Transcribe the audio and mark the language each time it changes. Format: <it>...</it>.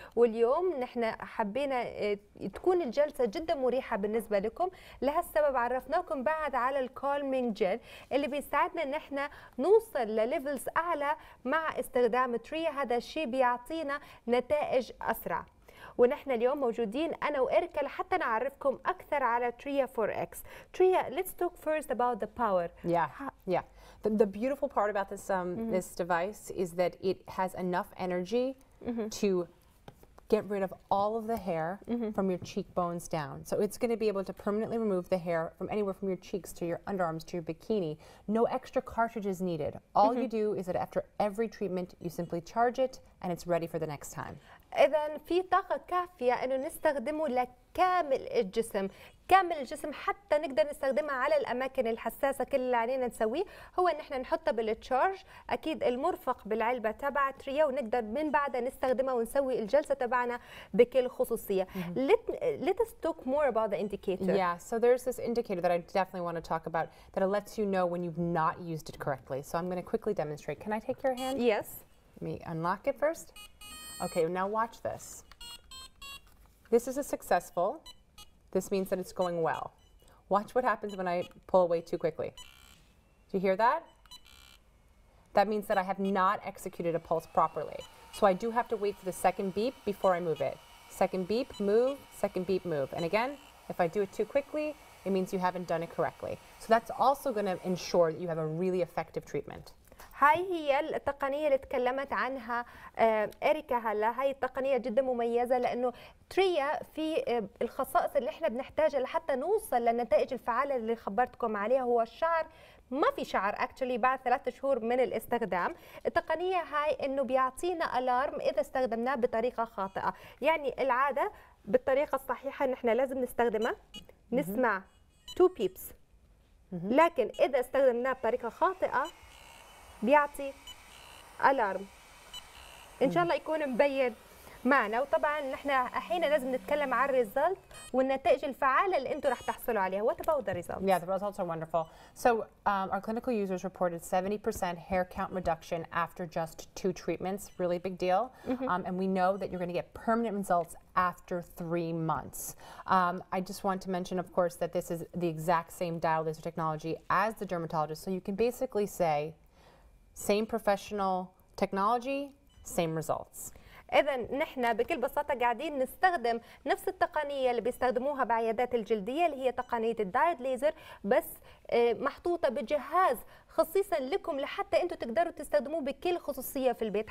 <ar>واليوم نحن حبينا تكون الجلسه جدا مريحه بالنسبه لكم, لهالسبب عرفناكم بعد على الكالمينج جل اللي بيساعدنا ان احنا نوصل لليفلز اعلى مع استخدام تريا. هذا الشيء بيعطي نتائج أسرع. ونحن اليوم موجودين أنا وإركا لحتى نعرفكم أكثر على تريا 4X.</ar> <en>Tria, let's talk first about the power. Yeah. The beautiful part about this this device is that it has enough energy to get rid of all of the hair from your cheekbones down. So it's going to be able to permanently remove the hair from anywhere from your cheeks to your underarms to your bikini. No extra cartridges needed. All you do is that after every treatment, you simply charge it and it's ready for the next time.</en> <ar>إذا في طاقة كافية إنه نستخدمه لكامل الجسم. كامل الجسم حتى نقدر نستخدمها على الأماكن الحساسة. كل اللي علينا نسويه هو إن إحنا نحطها بالتشارج أكيد المرفق بالعلبة تبع تريا, ونقدر من بعدها نستخدمها ونسوي الجلسة تبعنا بكل خصوصية.</ar> <en>Let us talk more about the indicator. Yeah, so there's this indicator that I definitely want to talk about that it lets you know when you've not used it correctly. So I'm going to quickly demonstrate. Can I take your hand? Yes. Let me unlock it first. Okay, now watch this. This is a successful. This means that it's going well. Watch what happens when I pull away too quickly. Do you hear that? That means that I have not executed a pulse properly. So I do have to wait for the second beep before I move it. Second beep, move, second beep, move. And again, if I do it too quickly, it means you haven't done it correctly. So that's also going to ensure that you have a really effective treatment.</en> <ar>هاي هي التقنية اللي تكلمت عنها إريكا هلا. هاي التقنية جدا مميزة لأنه تريا في الخصائص اللي احنا بنحتاجها لحتى نوصل للنتائج الفعالة اللي خبرتكم عليها. هو الشعر ما في شعر اكشلي بعد 3 شهور من الاستخدام. التقنية هاي انه بيعطينا الارم اذا استخدمناه بطريقة خاطئة. يعني العادة بالطريقة الصحيحة ان احنا لازم نستخدمه نسمع 2 بيبس, لكن اذا استخدمناه بطريقة خاطئة بيعطي ألارم. إن شاء الله يكون مبين معنا. وطبعا نحن الحين لازم نتكلم عن الريزلت والنتائج الفعاله اللي انتم راح تحصلوا عليها.</ar> <en>What about the results? Yeah, the results are wonderful. So our clinical users reported 70% hair count reduction after just 2 treatments. Really big deal. Mm-hmm. And we know that you're going to get permanent results after 3 months. I just want to mention, of course, that this is the exact same dial laser technology as the dermatologist. So you can basically say same professional technology, same results.</en> <ar>إذن نحن بكل بساطة قاعدين نستخدم نفس التقنية اللي بيستخدموها بعيادات الجلدية اللي هي تقنية الدايد ليزر، بس محطوطة بجهاز خصيصا لكم لحتى أنتوا تقدروا تستخدموه بكل خصوصية في البيت.</ar>